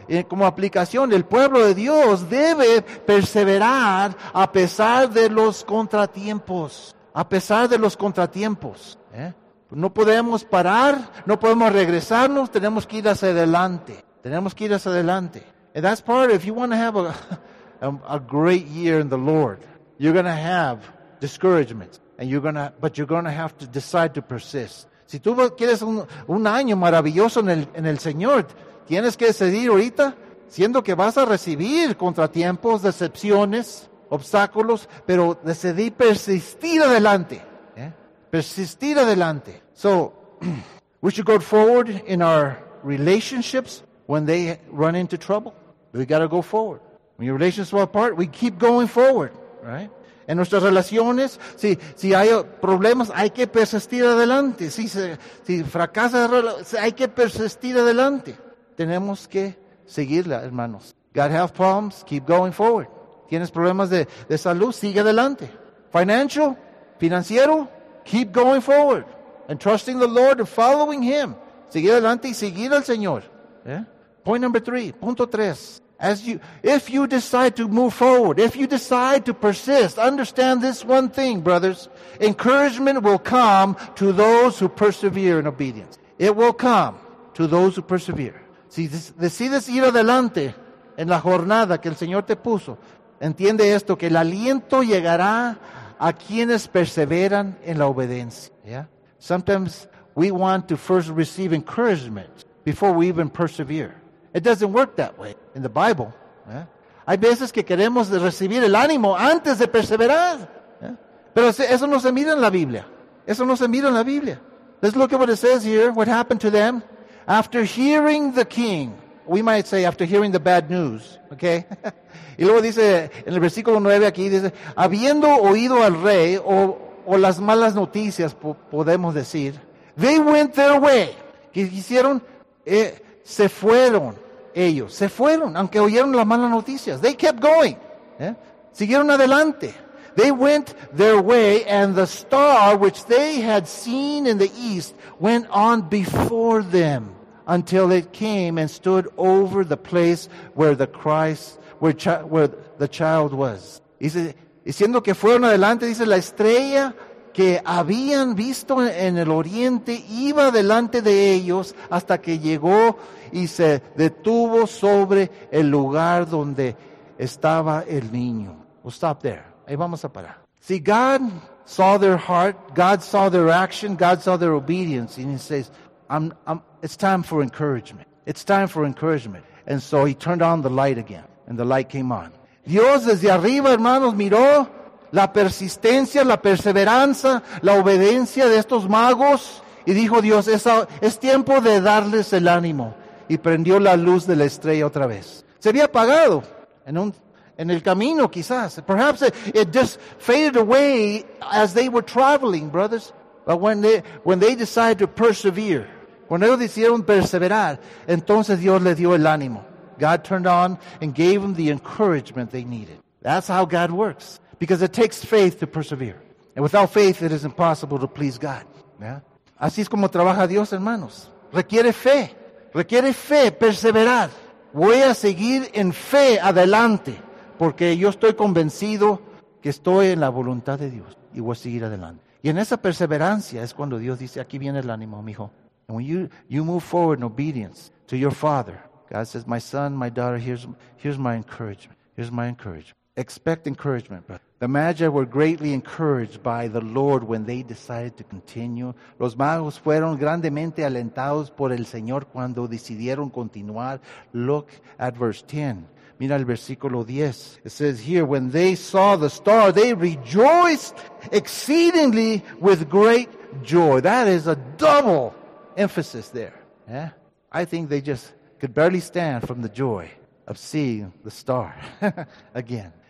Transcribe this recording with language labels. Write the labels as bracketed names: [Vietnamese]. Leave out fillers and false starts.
[Spanish] Como aplicación, el pueblo de Dios debe perseverar a pesar de los contratiempos. A pesar de los contratiempos. ¿Eh? No podemos parar, no podemos regresarnos, tenemos que ir hacia adelante. Tenemos que ir hacia adelante. [English] And that's part of, if you want to have a great year in the Lord, you're going to have discouragement, but you're going to have to decide to persist. [Spanish] Si tú quieres un año maravilloso en el Señor, tienes que decidir ahorita, siendo que vas a recibir contratiempos, decepciones, obstáculos, pero decidir persistir adelante. Persistir adelante. [English] So, we should go forward in our relationships when they run into trouble. We got to go forward. When your relationships fall apart, we keep going forward, right? [Spanish] En nuestras relaciones, si hay problemas, hay que persistir adelante. Si fracasa, hay que persistir adelante. Tenemos que seguirla, hermanos. [English] God have problems, keep going forward. [Spanish] Tienes problemas de salud, sigue adelante. [English] Financial, [Spanish] Financiero, [English] keep going forward and trusting the Lord and following Him. [Spanish] Seguir adelante y seguir al Señor. Yeah. [English] Point number three. [Spanish] Punto tres. [English] If you decide to move forward, if you decide to persist, understand this one thing, brothers. Encouragement will come to those who persevere in obedience. It will come to those who persevere. [Spanish] Si decides ir adelante en la jornada que el Señor te puso, entiende esto, que el aliento llegará a quienes perseveran en la obediencia. [English] Yeah? Sometimes we want to first receive encouragement before we even persevere. It doesn't work that way in the Bible. Yeah? [Spanish] Hay veces que queremos recibir el ánimo antes de perseverar. Yeah? Pero eso no se mira en la Biblia. Eso no se mira en la Biblia. [English] Let's look at what it says here, what happened to them. After hearing the king, we might say after hearing the bad news, okay? [Spanish] Y luego dice, en el versículo 9 aquí dice, habiendo oído al rey, o las malas noticias, podemos decir, [English] they went their way. [Spanish] ¿Qué hicieron? Se fueron ellos. Se fueron, aunque oyeron las malas noticias. [English] They kept going. [Spanish] ¿Eh? Siguieron adelante. [English] They went their way, and the star which they had seen in the east went on before them until it came and stood over the place where the child was. [Spanish] Dice, diciendo que fueron adelante, dice, la estrella que habían visto en el oriente iba delante de ellos hasta que llegó y se detuvo sobre el lugar donde estaba el niño. [English] We'll stop there. [Spanish] Ahí vamos a parar. [English] See, God saw their heart, God saw their action, God saw their obedience, and He says, it's time for encouragement. It's time for encouragement. And so He turned on the light again, and the light came on. [Spanish] Dios desde arriba, hermanos, miró la persistencia, la perseveranza, la obediencia de estos magos, y dijo Dios, es tiempo de darles el ánimo. Y prendió la luz de la estrella otra vez. Se había apagado en el camino, quizás. [English] Perhaps it just faded away as they were traveling, brothers. But when they decided to persevere, [Spanish] cuando ellos decidieron perseverar, entonces Dios le dio el ánimo. [English] God turned on and gave them the encouragement they needed. That's how God works. Because it takes faith to persevere. And without faith, it is impossible to please God. [Spanish] Yeah? Así es como trabaja Dios, hermanos. Requiere fe. Requiere fe, perseverar. Voy a seguir en fe adelante. Porque yo estoy convencido que estoy en la voluntad de Dios. Y voy a seguir adelante. Y en esa perseverancia es cuando Dios dice, aquí viene el ánimo, mijo. [English] And when you move forward in obedience to your father, God says, my son, my daughter, here's my encouragement. Here's my encouragement. Expect encouragement, brother. The Magi were greatly encouraged by the Lord when they decided to continue. [Spanish] Los magos fueron grandemente alentados por el Señor cuando decidieron continuar. [English] Look at verse 10. [Spanish] Mira el versículo 10. [English] It says here, when they saw the star, they rejoiced exceedingly with great joy. That is a double emphasis there. Yeah? I think they just could barely stand from the joy of seeing the star again.